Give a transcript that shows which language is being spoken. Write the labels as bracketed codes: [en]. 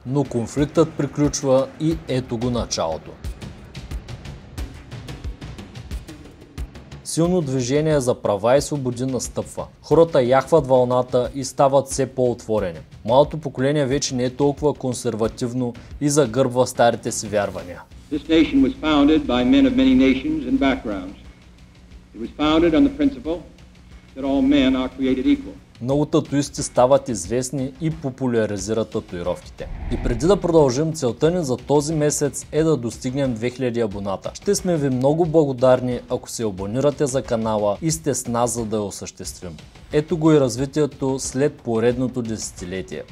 [bg] Но конфликтът приключва и ето го началото. Силно движение за права и свободи настъпва. Хората яхват вълната и стават все по-отворени. Малото поколение вече не е толкова консервативно и загърбва старите си вярвания. [en] This nation was founded by men of many nations and backgrounds. It was founded on the principle that all men are created equal. [bg] Много татуисти стават известни и популяризират татуировките. И преди да продължим, целта ни за този месец е да достигнем 2000 абоната. Ще сме ви много благодарни, ако се абонирате за канала и сте с нас, за да я осъществим. Ето го и развитието след поредното десетилетие.